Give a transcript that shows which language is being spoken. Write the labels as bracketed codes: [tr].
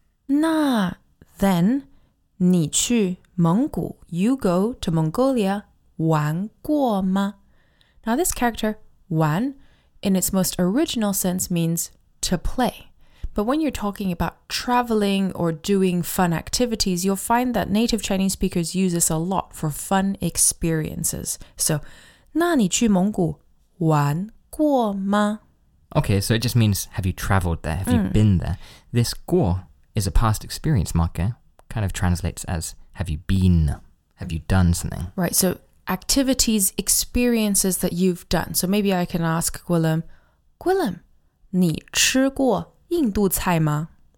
[zh] 那, then, 你去蒙古, [en] you go to Mongolia, [zh] 玩过吗? [en] Now this character, 玩, in its most original sense means to play. But when you're talking about traveling or doing fun activities, you'll find that native Chinese speakers use this a lot for fun experiences. [zh] So, 那你去蒙古玩过吗? [en] Okay, so it just means, have you traveled there? Have you been there? This 过 is a past experience marker, kind of translates as, have you been? Have you done something? Right, so activities, experiences that you've done. So maybe I can ask Guillem, [zh] 你吃过印度菜吗?